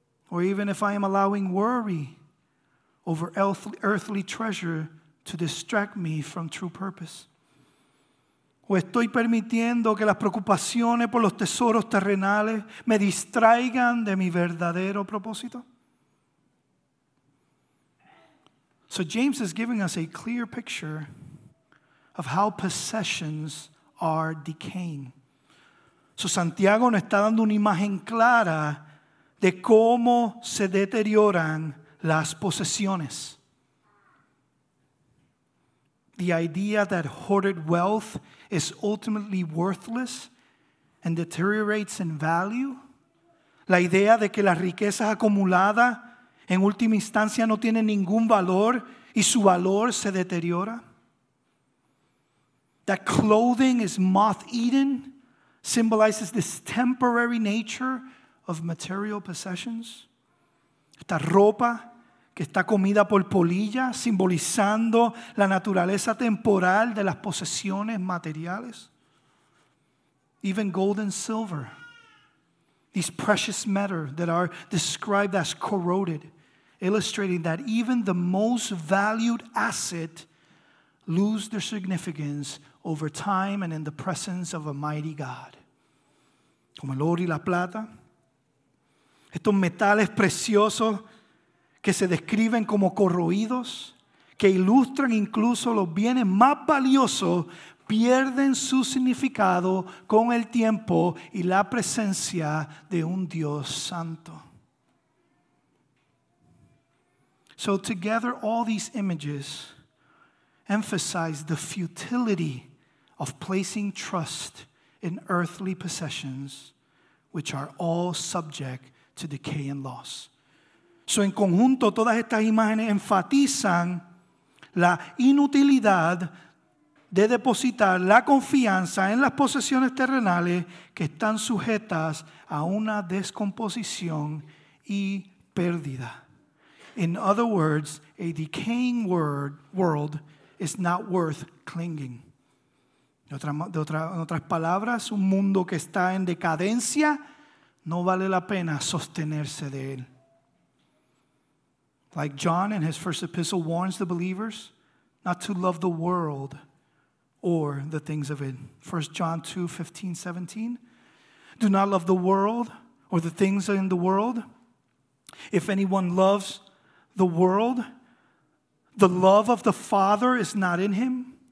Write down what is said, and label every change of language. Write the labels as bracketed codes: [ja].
[en] Or even if I am allowing worry over earthly treasure to distract me from true purpose. [es] ¿O estoy permitiendo que las preocupaciones por los tesoros terrenales me distraigan de mi verdadero propósito? [en] So James is giving us a clear picture of how possessions are decaying. [es] So Santiago nos está dando una imagen clara de cómo se deterioran las posesiones. [en] The idea that hoarded wealth is ultimately worthless and deteriorates in value. [es] La idea de que las riquezas acumuladas en última instancia no tienen ningún valor y su valor se deteriora. [en] That clothing is moth-eaten symbolizes this temporary nature of material possessions. [es] Esta ropa que está comida por polillas, simbolizando la naturaleza temporal de las posesiones materiales. [en] Even gold and silver, these precious metals that are described as corroded, illustrating that even the most valued asset lose their significance over time and in the presence of a mighty God. [es] Como el oro y la plata, estos metales preciosos que se describen como corroídos, que ilustran incluso los bienes más valiosos, pierden su significado con el tiempo y la presencia de un Dios santo. [en] So together all these images emphasize the futility of placing trust in earthly possessions, which are all subject to decay and loss. [es] So en conjunto, todas estas imágenes enfatizan la inutilidad de depositar la confianza en las posesiones terrenales que están sujetas a una descomposición y pérdida. [en] In other words, a decaying world is not worth clinging. [es] En otras palabras, un mundo que está en decadencia no vale la pena sostenerse de él. [en] Like John in his first epistle warns the believers not to love the world or the things of it. 1 John 2, 15-17. Do not love the world or the things in the world. If anyone loves the world, the love of the Father is not in him.